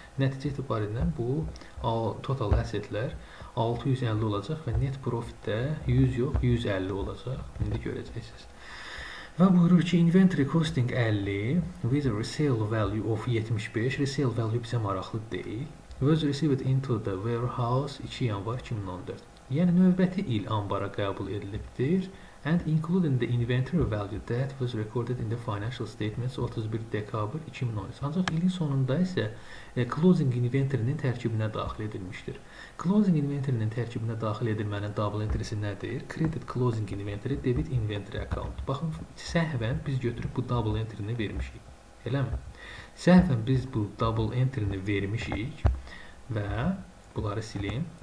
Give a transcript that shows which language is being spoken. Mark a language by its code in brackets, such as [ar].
[az] Nəticə itibarilən bu total assetlər 650 olacaq və net profit də 100 yox, 150 olacaq. İndi görəcəksiniz. Və buyurur ki, [en] inventory costing 50 with a resale value of 75. Resale value [az] bizə maraqlı deyil. [en] Was received into the warehouse 2 yanvar 2014. [az] Yəni, növbəti il ambara qəbul edilibdir. [en] And including the inventory value that was recorded in the financial statements 31 dekabr 2013. [az] Ancaq ilin sonunda isə closing inventory-nin tərkibinə daxil edilmişdir. Closing inventory-nin tərkibinə daxil edilmənin double entry-si nədir? [en] Credit closing inventory, debit inventory account. [az] Baxın, səhvən biz götürüb bu double entry-ni vermişik. Eləmi? Səhvən biz bu double entry-ni vermişik və bunları silin.